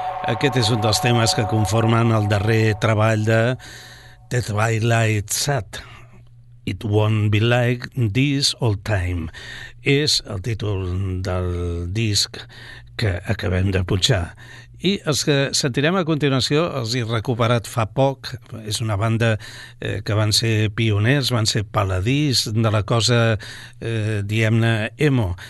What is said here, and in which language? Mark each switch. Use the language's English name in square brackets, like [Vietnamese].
[Catalan] Aquest és un dels temes que conformen el darrer treball de The Twilight Sat. [English] It won't be like this all time. [Catalan] És el títol del disc que acabem de punxar. I els que sentirem a continuació els he recuperat fa poc. És una banda que van ser pioners, van ser paladins de la cosa, diem-ne, emo.